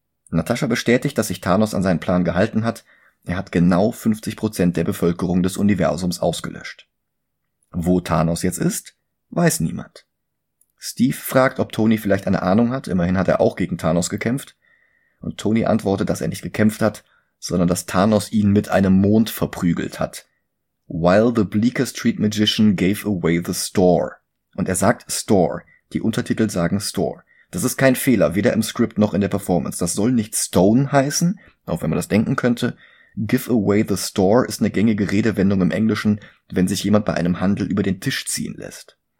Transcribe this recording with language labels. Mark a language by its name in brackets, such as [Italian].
[German] Natascha bestätigt, dass sich Thanos an seinen Plan gehalten hat. Er hat genau 50% der Bevölkerung des Universums ausgelöscht. Wo Thanos jetzt ist, weiß niemand. Steve fragt, ob Tony vielleicht eine Ahnung hat, immerhin hat er auch gegen Thanos gekämpft. Und Tony antwortet, dass er nicht gekämpft hat, sondern dass Thanos ihn mit einem Mond verprügelt hat. [English] While the Bleecker Street Magician gave away the store. [German] Und er sagt store, die Untertitel sagen store. Das ist kein Fehler, weder im Script noch in der Performance. Das soll nicht Stone heißen, auch wenn man das denken könnte. [English] Give away the store [German] ist eine gängige Redewendung im Englischen, wenn sich jemand bei einem Handel über den Tisch ziehen lässt.